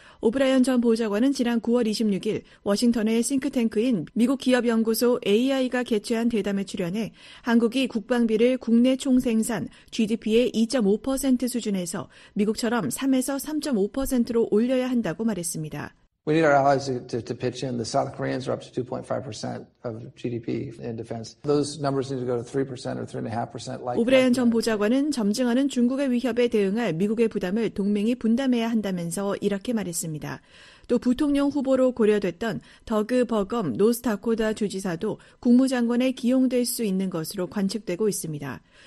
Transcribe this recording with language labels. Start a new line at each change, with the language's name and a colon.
Korean: 오브라이언 전 보좌관은 지난 9월 26일 워싱턴의 싱크탱크인 미국기업연구소 AI가 개최한 대담에 출연해 한국이 국방비를 국내 총생산 GDP의 2.5% 수준에서 미국처럼 3에서 3.5%로 올려야 한다고 말했습니다.
English: We need our allies to pitch in. The South Koreans are up to 2.5% of GDP in defense. Those numbers need to go to 3% or 3.5%.
Korean: 오브레인 전 보좌관은 점증하는 중국의 위협에 대응할 미국의 부담을 동맹이 분담해야 한다면서 이렇게 말했습니다. 또 부통령 후보로 고려됐던 더그 버검 노스다코다 주지사도 국무장관에 기용될 수 있는 것으로 관측되고 있습니다.